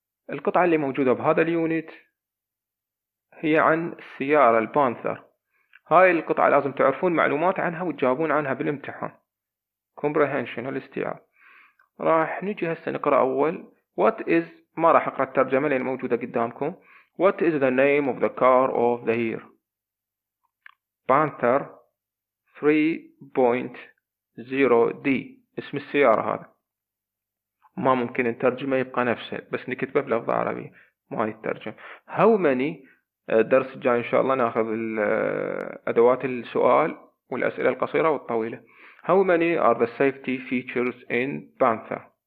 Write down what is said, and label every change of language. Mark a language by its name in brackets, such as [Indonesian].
[Arabic] القطعة اللي موجودة بهذا اليونت هي عن السيارة البانثر. هاي القطعة لازم تعرفون معلومات عنها وتجاوبون عنها بالامتحان. comprehension الاستيعاب. راح نجي هسه نقرأ أول [English] what is، [Arabic] ما راح أقرأ الترجمة لأن موجودة قدامكم. [English] What is the name of the car of the year? Panther 3.0D. [Arabic] اسم السيارة هذا ما ممكن الترجمة يبقى نفسه، بس نكتبه بلفظ عربي ما يترجم. [English] How many، [Arabic] الدرس الجاي إن شاء الله نأخذ أدوات السؤال والأسئلة القصيرة والطويلة. [English] How many are the safety features in Panther?